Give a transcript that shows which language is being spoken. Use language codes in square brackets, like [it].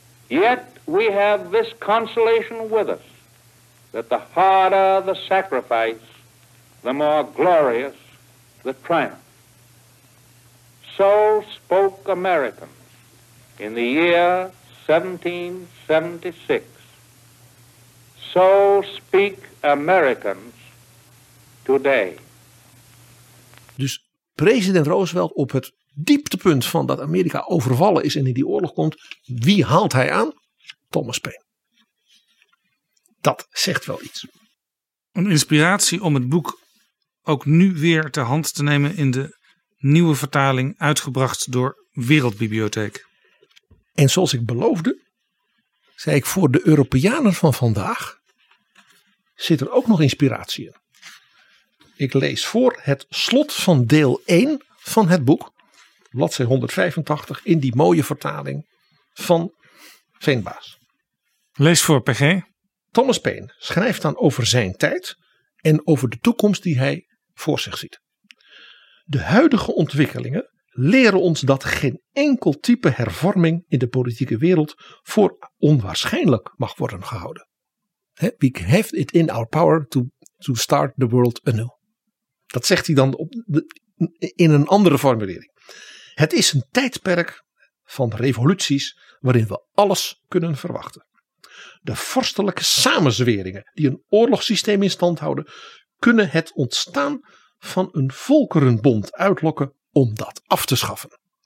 [en] Yet we have this consolation with us, that the harder the sacrifice, the more glorious the triumph. So spoke Americans in the year 1776. So speak Americans today. [nl] Dus president Roosevelt op het dieptepunt van dat Amerika overvallen is en in die oorlog komt, wie haalt hij aan? Thomas Paine. Dat zegt wel iets. Een inspiratie om het boek ook nu weer ter hand te nemen in de nieuwe vertaling uitgebracht door Wereldbibliotheek. En zoals ik beloofde, zei ik voor de Europeanen van vandaag, zit er ook nog inspiratie in. Ik lees voor het slot van deel 1 van het boek, bladzij 185, in die mooie vertaling van Veenbaas. Lees voor, PG. Thomas Paine schrijft dan over zijn tijd en over de toekomst die hij voor zich ziet. De huidige ontwikkelingen leren ons dat geen enkel type hervorming in de politieke wereld voor onwaarschijnlijk mag worden gehouden. [en] We have it in our power to start the world anew. [nl] Dat zegt hij dan in een andere formulering. Het is een tijdperk van revoluties waarin we alles kunnen verwachten. De vorstelijke samenzweringen die een oorlogssysteem in stand houden, kunnen het ontstaan van een volkerenbond uitlokken om dat af te schaffen.